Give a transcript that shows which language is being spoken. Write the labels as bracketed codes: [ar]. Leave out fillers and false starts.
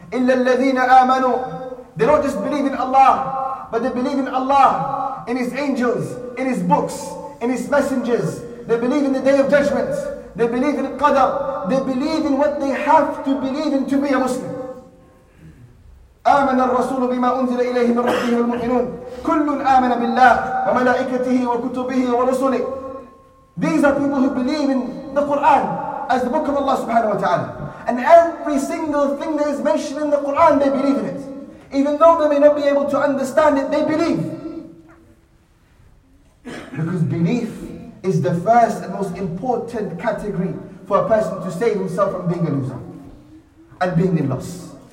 [ar] إِلَّا الَّذِينَ آمَنُوا. [en] They don't just believe in Allah, but they believe in Allah, in His angels, in His books, in His messengers. They believe in the Day of Judgment. They believe in Qadr. They believe in what they have to believe in to be a Muslim. [ar] آمن الرسول بما أنزل إليه من ربه والمؤمنون كل آمن بالله وملائكته وكتبه ورسله. [en] These are people who believe in the Quran as the book of Allah subhanahu wa ta'ala. And every single thing that is mentioned in the Quran, they believe in it. Even though they may not be able to understand it, they believe. Because belief is the first and most important category for a person to save himself from being a loser and being in loss.